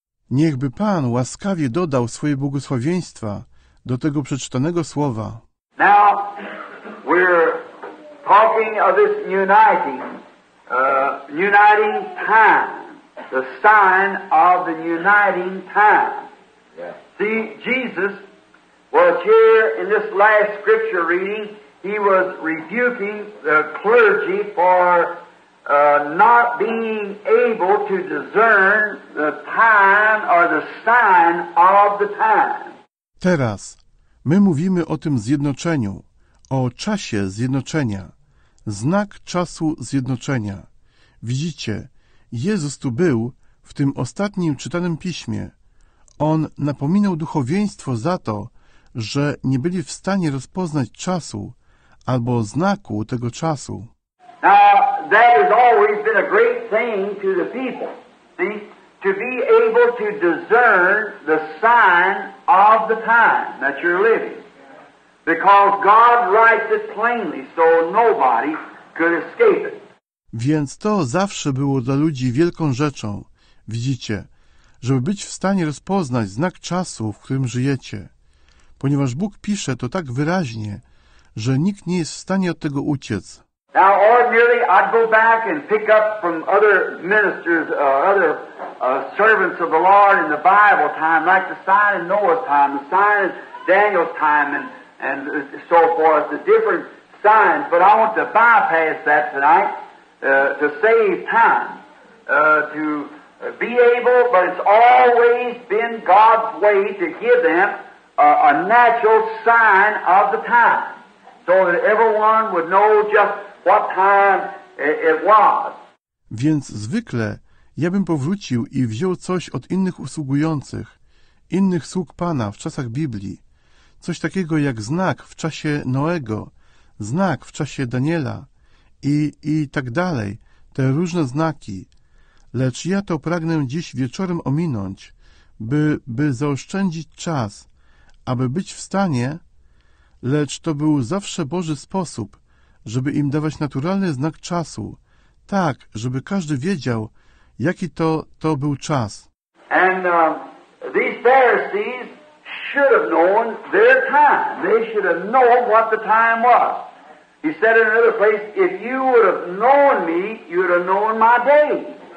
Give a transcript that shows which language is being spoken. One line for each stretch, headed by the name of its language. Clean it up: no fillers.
Polish: Niechby Pan łaskawie dodał swoje błogosławieństwa do tego przeczytanego słowa.
English: Now we're talking of this uniting. Uniting time, the sign of the uniting time. Yeah. See, Jesus was here in this last scripture reading, he was rebuking the clergy for not being able to discern the time or the sign of the time.
Polish: Teraz, my mówimy o tym zjednoczeniu, o czasie zjednoczenia, znak czasu zjednoczenia. Widzicie, Jezus tu był w tym ostatnim czytanym piśmie. On napominał duchowieństwo za to, że nie byli w stanie rozpoznać czasu albo znaku tego czasu.
English: Now, that has always been a great thing to the people, see? To be able to discern the sign of the time that you're living. Because God writes it plainly, so nobody could escape it.
Polish: Więc to zawsze było dla ludzi wielką rzeczą, widzicie, żeby być w stanie rozpoznać znak czasu, w którym żyjecie, ponieważ Bóg pisze to tak wyraźnie, że nikt nie jest w stanie od tego uciec.
English: Now ordinarily I'd go back and pick up from other ministers, other servants of the Lord in the Bible time, like the sign of Noah's time, the sign of Daniel's time, and so forth, the different signs, but I want to bypass that tonight. To save time, to be able, but it's always been God's way to give them a natural sign of the time, so that everyone would know just what time it was.
Polish: Więc zwykle ja bym powrócił i wziął coś od innych usługujących, innych sług Pana w czasach Biblii, coś takiego jak znak w czasie Noego, znak w czasie Daniela, I tak dalej, te różne znaki. Lecz ja to pragnę dziś wieczorem ominąć, by zaoszczędzić czas, aby być w stanie, lecz to był zawsze Boży sposób, żeby im dawać naturalny znak czasu, tak, żeby każdy wiedział, jaki to był czas.
English: And these Pharisees should have known their time. They should have known what the time was. He said in another place, if you would have known me, you would have known my day.